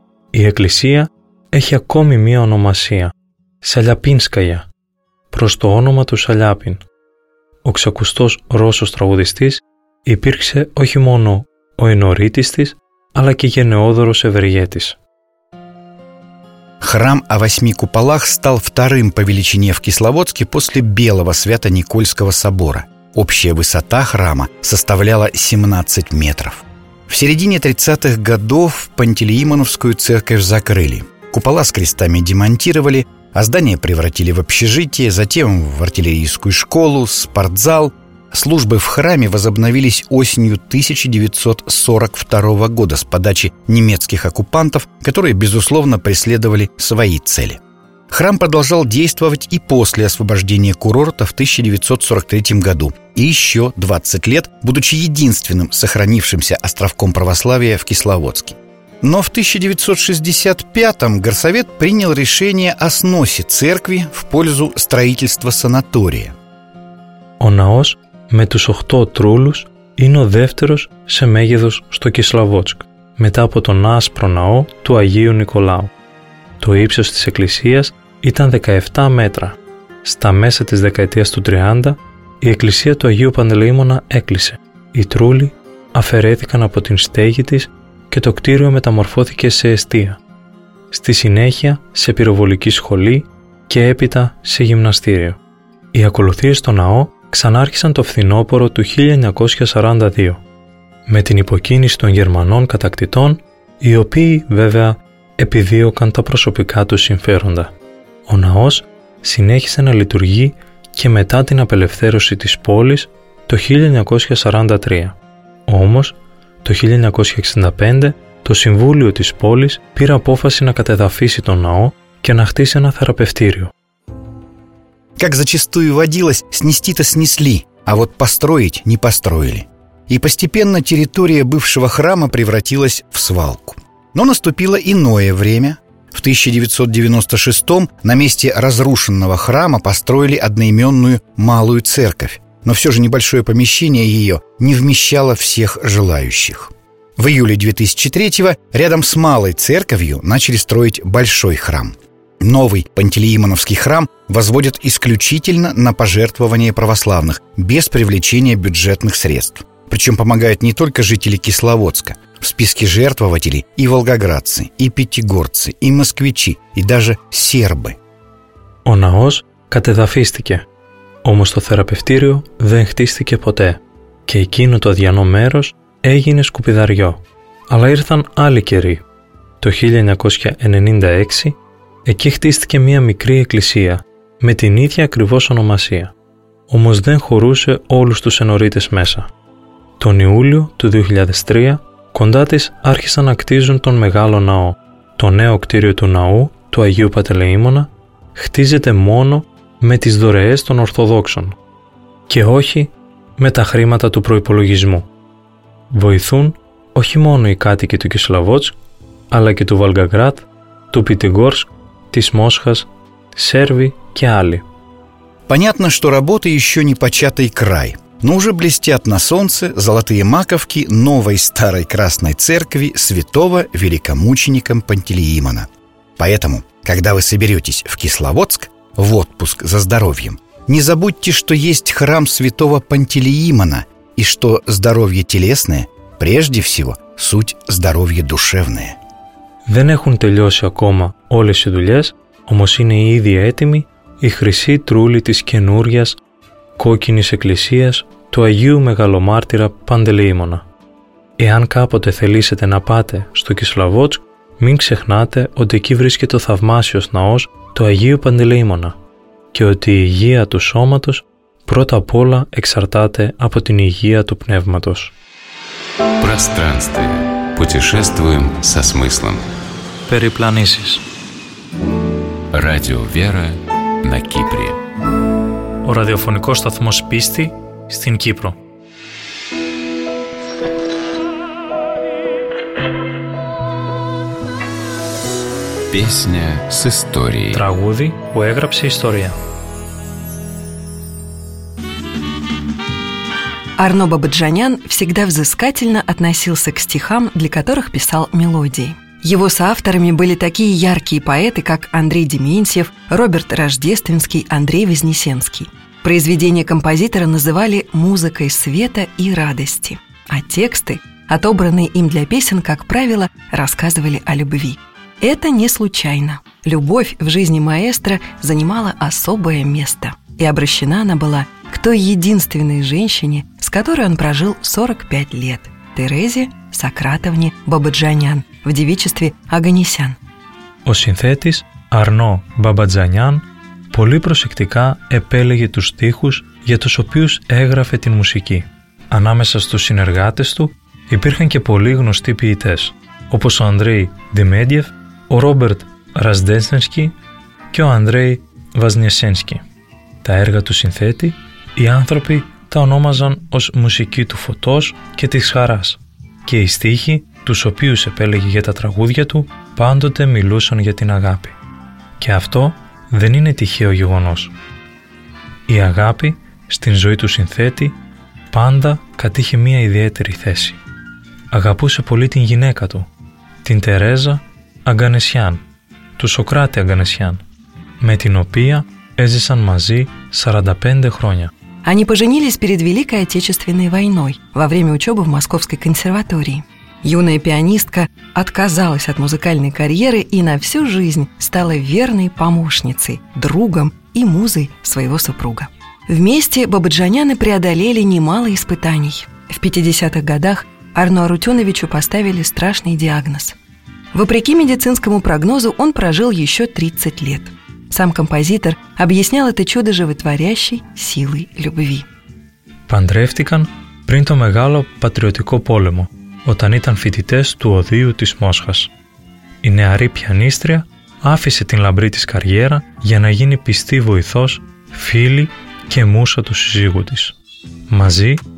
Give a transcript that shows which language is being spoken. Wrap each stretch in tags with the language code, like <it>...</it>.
<el>Η εκκλησία έχει ακόμη μία ονομασία, Σαλιαπίνσκαγια, προς το όνομα του Σαλιάπιν. Ο ξακουστός Ρώσος τραγουδιστής υπήρξε όχι μόνο ο ενωρίτης της, αλλά και γενναιόδωρος ευεργέτης.</el> <ru>Храм о восьми куполах стал вторым по величине в Кисловодске после Белого Свято-Никольского собора. Общая высота храма составляла 17 метров. В середине 30-х годов Пантелеимоновскую церковь закрыли. Купола с крестами демонтировали, а здание превратили в общежитие, затем в артиллерийскую школу, спортзал. Службы в храме возобновились осенью 1942 года с подачи немецких оккупантов, которые, безусловно, преследовали свои цели. Храм продолжал действовать и после освобождения курорта в 1943 году, и еще 20 лет, будучи единственным сохранившимся островком православия в Кисловодске. Но в 1965 горсовет принял решение о сносе церкви в пользу строительства санатория.</ru> <el>Он наос? Με τους 8 τρούλους είναι ο δεύτερος σε μέγεθος στο Κισλαβότσκ, μετά από τον άσπρο ναό του Αγίου Νικολάου. Το ύψος της εκκλησίας ήταν 17 μέτρα. Στα μέσα της δεκαετίας του 30, η εκκλησία του Αγίου Παντελεήμονα έκλεισε. Οι τρούλοι αφαιρέθηκαν από την στέγη της και το κτίριο μεταμορφώθηκε σε εστία. Στη συνέχεια σε πυροβολική σχολή και έπειτα σε γυμναστήριο. Οι ακολουθίες στο ναό ξανάρχισαν το φθινόπωρο του 1942, με την υποκίνηση των Γερμανών κατακτητών, οι οποίοι βέβαια επιδίωκαν τα προσωπικά τους συμφέροντα. Ο ναός συνέχισε να λειτουργεί και μετά την απελευθέρωση της πόλης το 1943. Όμως, το 1965, το Συμβούλιο της πόλης πήρε απόφαση να κατεδαφίσει τον ναό και να χτίσει ένα θεραπευτήριο.</el> <ru>Как зачастую водилось, снести-то снесли, а вот построить не построили. и постепенно территория бывшего храма превратилась в свалку. Но наступило иное время. В 1996-м на месте разрушенного храма построили одноименную малую церковь, но все же небольшое помещение ее не вмещало всех желающих. В июле 2003-го рядом с малой церковью начали строить большой храм. Новый Пантелеимоновский храм возводят исключительно на пожертвования православных, без привлечения бюджетных средств. Причем помогают не только жители Кисловодска. В списке жертвователей и волгоградцы, и пятигорцы, и москвичи, и даже сербы.</ru> <el>Ο ναός κατεδαφίστηκε, όμως το θεραπευτήριο δεν χτίστηκε ποτέ και εκείνο το αδιανό μέρος έγινε σκουπιδαριό. Αλλά ήρθαν άλλοι καιροί. Το 1996 εκεί χτίστηκε μία μικρή εκκλησία με την ίδια ακριβώς ονομασία. Όμως δεν χωρούσε όλους τους ενορίτες μέσα. Τον Ιούλιο του 2003 κοντά της άρχισαν να κτίζουν τον μεγάλο ναό. Το νέο κτίριο του ναού του Αγίου Πατελεήμονα χτίζεται μόνο με τις δωρεές των Ορθοδόξων και όχι με τα χρήματα του προϋπολογισμού. Βοηθούν όχι μόνο οι κάτοικοι του Κισλαβότσκ, αλλά και του Βολγκογράδ, του Πιτιγκόρσκ, της Μόσχας, Σέρβοι και άλλοι.</el> <ru>Понятно, что работы еще не початый край. Но уже блестят на солнце золотые маковки новой старой красной церкви святого великомученика Пантелеимона. Поэтому, когда вы соберетесь в Кисловодск, в отпуск за здоровьем, не забудьте, что есть храм святого Пантелеимона и что здоровье телесное, прежде всего, суть здоровья душевное.</ru> <el>Δεν έχουν τελειώσει ακόμα όλες οι δουλειές, όμως είναι ήδη έτοιμη η χρυσή τρούλη της καινούργιας κόκκινης εκκλησίας του Αγίου Μεγαλομάρτυρα Παντελεήμονα. Εάν κάποτε θελήσετε να πάτε στο Κισλαβότσκ, μην ξεχνάτε ότι εκεί βρίσκεται ο θαυμάσιος ναός του Αγίου Παντελεήμονα και ότι η υγεία του σώματος πρώτα απ' όλα εξαρτάται από την υγεία του πνεύματος.</el> <ru>Пространствие. Путешествуем со смыслом.</ru> <el>Перепланисис.</el> <ru>Радио Вера на Кипре.</ru> <el>Ο ραδιοφωνικός σταθμός Πίστη στην Κύπρο.</el> <ru>Песня с историей.</ru> <el>Τραγούδι που έγραψε ιστορία.</el> <ru>Арно Бабаджанян всегда взыскательно относился к стихам, для которых писал мелодии. Его соавторами были такие яркие поэты, как Андрей Дементьев, Роберт Рождественский, Андрей Вознесенский. Произведения композитора называли «музыкой света и радости», а тексты, отобранные им для песен, как правило, рассказывали о любви. Это не случайно. Любовь в жизни маэстро занимала особое место, и обращена она была к той единственной женщине, с которой он прожил 45 лет – Терезе Сократовне Бабаджанян в девичестве Оганесян.</ru> <el>О синтетис Арно Бабаджанян πολύ προσεκτικά επέλεγε τους στίχους για τους οποίους έγραφε την μουσική. Ανάμεσα στους συνεργάτες του υπήρχαν και πολλοί γνωστοί ποιητές, όπως ο Ανδρέι Δημέντιεφ, ο Ρόμπερτ Ραζντέσενσκι και ο Ανδρέι Βαζνιασένσκι. Τα έργα του συνθέτη, οι άνθρωποι τα ονόμαζαν ως μουσική του φωτός και της χαράς και οι στίχοι, τους οποίους επέλεγε για τα τραγούδια του, πάντοτε μιλούσαν για την αγάπη. Και αυτό δεν είναι τυχαίο γεγονός. Η αγάπη στην ζωή του συνθέτη πάντα κατήχε μία ιδιαίτερη θέση. Αγαπούσε πολύ την γυναίκα του, την Τερέζα Αγκανεσιάν, του Σοκράτη Αγκανεσιάν, με την οποία έζησαν μαζί 45 χρόνια.</el> <ru>Они поженились перед Великой Отечественной войной во время учебы в Московской консерватории. Юная пианистка отказалась от музыкальной карьеры и на всю жизнь стала верной помощницей, другом и музой своего супруга. Вместе Бабаджаняны преодолели немало испытаний. В 50-х годах Арно Арутюновичу поставили страшный диагноз. Вопреки медицинскому прогнозу он прожил еще 30 лет. Сам композитор объяснял это чудо животворящей силой любви.</ru> <el>Παντρεύτηκαν πριν το μεγάλο πατριωτικό πόλεμο, όταν ήταν φοιτητές του Οδείου της Μόσχας. Η νεαρή πιανίστρια άφησε την λαμπρή της καριέρα για να γίνει πιστή βοηθός, φίλη και μούσα του συζύγου της. Μαζί,</el>